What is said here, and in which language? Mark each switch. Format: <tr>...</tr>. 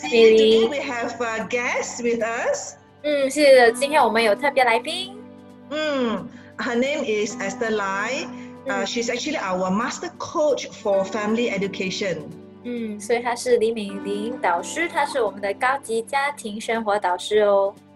<en>Hello, see, today we have a guest with us.</en> <zh>是的，今天我们有特别来宾。</zh> <en>Her name is Esther Lai. She's actually our master coach for family education.</en> <zh>所以她是李敏玲导师，她是我们的高级家庭生活导师哦。</zh>